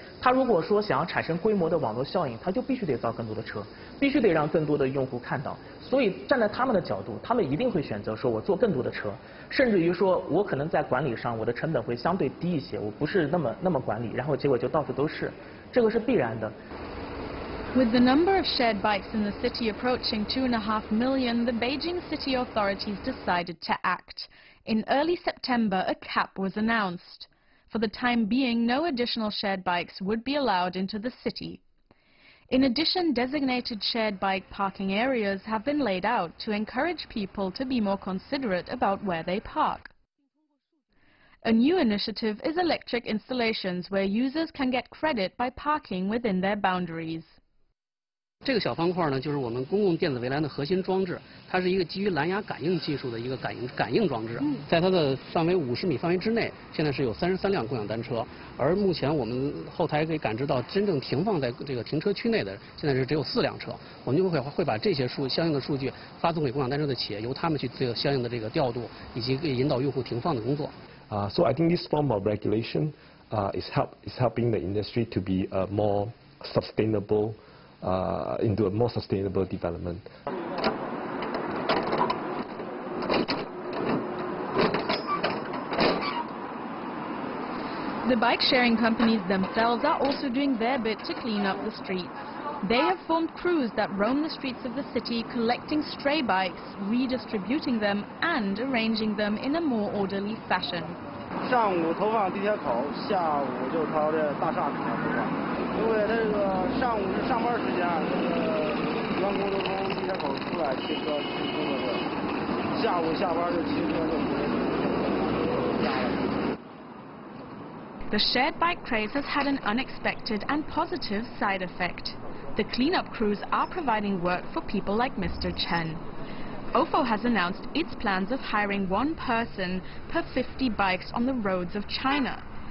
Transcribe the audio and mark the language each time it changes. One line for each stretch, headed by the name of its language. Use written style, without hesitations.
Chinese: 他如果说想要产生规模的网络效应，他就必须得造更多的车，必须得让更多的用户看到。所以站在他们的角度，他们一定会选择说我做更多的车，甚至于说我可能在管理上我的成本会相对低一些，我不是那么管理，然后结果就到处都是，这个是必然的。
English: With the number of shared bikes in the city approaching 2.5 million, the Beijing city authorities decided to act. In early September, a cap was announced. For the time being, no additional shared bikes would be allowed into the city. In addition, designated shared bike parking areas have been laid out to encourage people to be more considerate about where they park. A new initiative is electric installations where users can get credit by parking within their boundaries.
Chinese: 这个小方块呢，就是我们公共电子围栏的核心装置，它是一个基于蓝牙感应技术的一个感应装置，在它的范围50米范围之内，现在是有33辆共享单车，而目前我们后台可以感知到真正停放在这个停车区内的现在是只有4辆车，我们就会把这些相应的数据发送给共享单车的企业，由他们去做相应的这个调度以及可以引导用户停放的工作。
English: So I think this form of regulation is helping the industry to be a more sustainable. Into a more sustainable development. The bike sharing companies themselves are also doing their bit to clean up the streets. They have formed crews that roam the streets of the city collecting stray bikes, redistributing them, and arranging them in a more orderly fashion.
Chinese: 上午投放地铁口，下午就朝着大厦投放。因为这个上午是上班时间，这个员工都从地铁口出来骑车去工作，下午下班就骑车就回家了。
English: The shared bike craze has had an unexpected and positive side effect. The cleanup crews are providing work for people like Mr. Chen. OFO has announced its plans of hiring one person per 50 bikes on the roads of China.